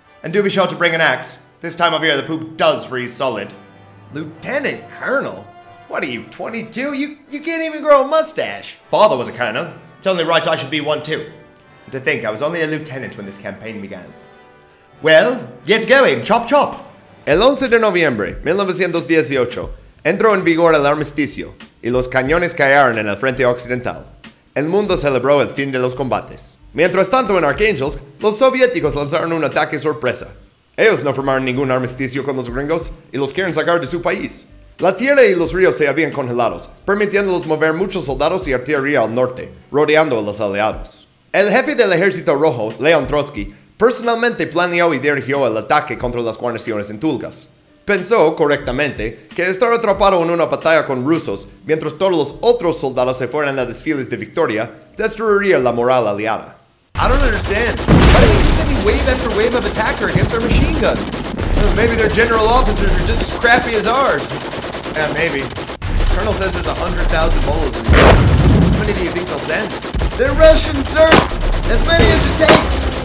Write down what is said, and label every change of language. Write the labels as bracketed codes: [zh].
[en] And do be sure to bring an axe. This time of year, the poop does freeze solid. Lieutenant Colonel? What are you, 22? You can't even grow a mustache. Father was a colonel. It's only right I should be one too. And to think, I was only a lieutenant when this campaign began. Well, get going, chop chop. [es] El 11 de noviembre, 1918, entró en vigor el armisticio y los cañones cayeron en el frente occidental. El mundo celebró el fin de los combates. Mientras tanto en Arkhangelsk, los soviéticos lanzaron un ataque sorpresa. Ellos no firmaron ningún armisticio con los gringos y los quieren sacar de su país. La tierra y los ríos se habían congelado, permitiéndolos mover muchos soldados y artillería al norte, rodeando a los aliados. El jefe del ejército rojo, León Trotsky, personalmente planeó y dirigió el ataque contra las guarniciones en Tulgas. Pensó, correctamente, que estar atrapado en una batalla con rusos mientras todos los otros soldados se fueran a desfiles de victoria destruiría la moral aliada. [en] I don't understand. Why do they keep sending wave after wave of attacker against our machine guns? Maybe their general officers are just as crappy as ours. Yeah, maybe. The colonel says there's 100,000 bolos in there. How many do you think they'll send? They're Russian, sir! As many as it takes!